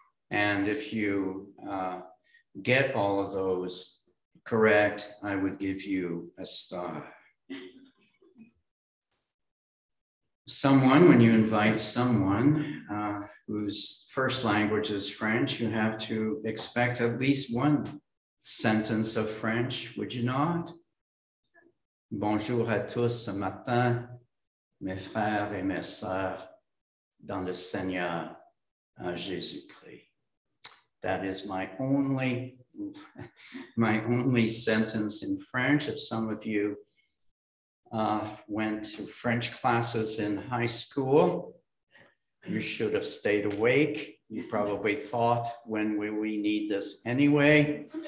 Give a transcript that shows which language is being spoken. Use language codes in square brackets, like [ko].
[en] And if you get all of those correct, I would give you a star. Someone, when you invite someone whose first language is French, you have to expect at least one sentence of French, would you not? [fr] Bonjour à tous ce matin, mes frères et mes sœurs, dans le Seigneur Jésus-Christ. [en] That is my only sentence in French. If some of you went to French classes in high school, you should have stayed awake. You probably thought, when will we need this anyway?